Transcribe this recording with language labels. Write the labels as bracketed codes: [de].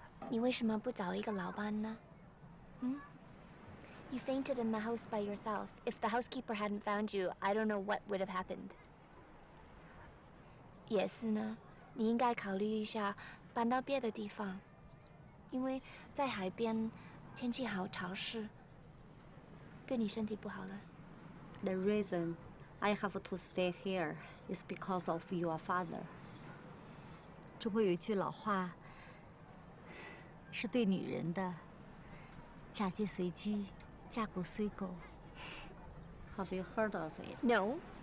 [zh] 你为什么不找一个老伴呢？嗯？ [en] You fainted in the house by yourself. If the housekeeper hadn't found you, I don't know what would have happened. [zh] 也是呢，你应该考虑一下搬到别的地方，因为在海边天气好潮湿，对你身体不好了。 [en] The reason I have to stay here is because of your father. [zh] 中国有一句老话，是对女人的：嫁鸡随鸡，嫁狗随狗。 [en] Have you heard of it? No.